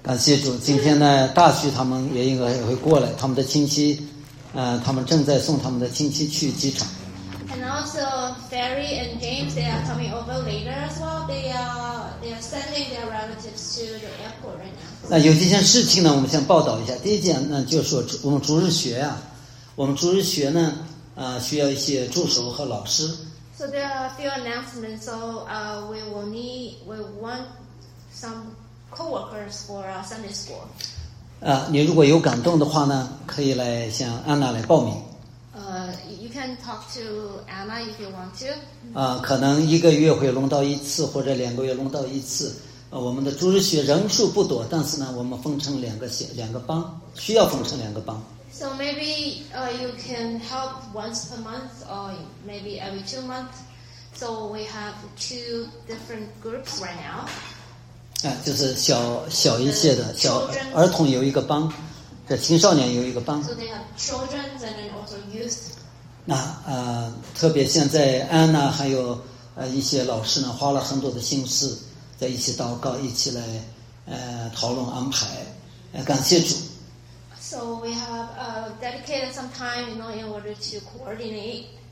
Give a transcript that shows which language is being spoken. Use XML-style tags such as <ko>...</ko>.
<zh>感谢主，今天呢大旭他们也应该也会过来，他们的亲戚他们正在送他们的亲戚去机场。</zh> <en>And also, Ferry and James, they are coming over later as well. They are sending their relatives to the airport right now.</en> <zh>那有几件事情呢，我们先报道一下。第一件呢，就是说我们逐日学啊，我们逐日学呢，需要一些助手和老师。</zh> <en>So there are a few announcements. So we want some co-workers for our Sunday school.</en> <zh>你如果有感动的话呢，可以来向安娜来报名。</zh> <en>You can talk to Anna if you want to.</en> <zh>可能一个月会轮到一次，或者两个月轮到一次。我们的逐日学人数不多，但是呢，我们分成两个班，需要分成两个班。</zh> <en>So maybe you can help once per month or maybe every 2 months. So we have 2 different groups right now.</en> <zh>就是小一些的小儿童有一个班。这青少年有一个班。</zh> <en>So they have children and also youth.</en> <zh>那特别现在安娜还有一些老师呢，花了很多的心思，在一起祷告，一起来讨论安排，感谢主。</zh> <en>So we have dedicated some time, you know, in order to coordinate.</en>